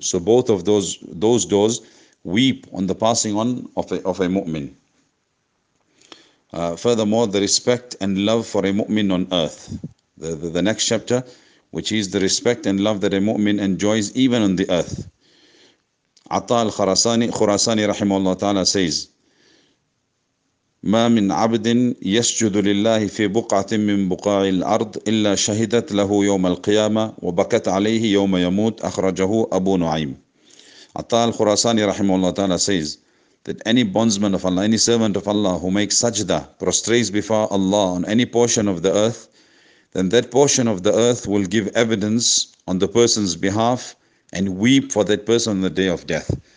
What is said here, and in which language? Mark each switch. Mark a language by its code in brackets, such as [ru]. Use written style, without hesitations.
[en] So both of those doors weep on the passing on of a mu'min. Furthermore, the respect and love for a mu'min on earth. The next chapter, which is the respect and love that a mu'min enjoys even on the earth. Atta al-Khurasani rahimahullah ta'ala says, [ar] مَا مِنْ عَبْدٍ يَسْجُدُ لِلَّهِ فِي بُقْعَةٍ مِّنْ بُقَاعِ الْأَرْضِ إِلَّا شَهِدَتْ لَهُ يَوْمَ الْقِيَامَةِ وَبَكَتْ عَلَيْهِ يَوْمَ يَمُوتْ أَخْرَجَهُ أَبُو نُعَيْمٍ. [en] Atta al-Khurasani rahimahullah ta'ala says that any bondsman of Allah, any servant of Allah who makes sajda, prostrates before Allah on any portion of the earth, then that portion of the earth will give evidence on the person's behalf and weep for that person on the day of death.